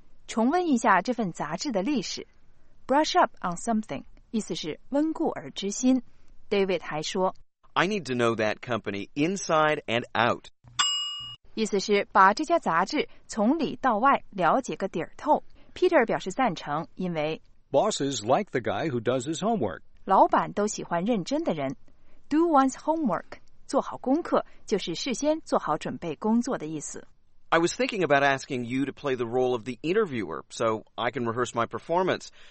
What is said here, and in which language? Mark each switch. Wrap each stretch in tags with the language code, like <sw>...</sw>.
<zh>重温一下这份杂志的历史。</zh> <en>Brush up on something,</en> <zh>意思是温故而知新。David 还说</zh> <en>I need to know that company inside and out.</en> <zh>意思是把这家杂志从里到外了解个底儿透。 Peter 表示赞成因为</zh> <en>Bosses like the guy who does his homework.</en> <zh>老板都喜欢认真的人。</zh> <en>Do one's homework,</en> <zh>做好功课就是事先做好准备工作的意思。</zh> <en>I was thinking about asking you to play the role of the interviewer so I can rehearse my performance.</en>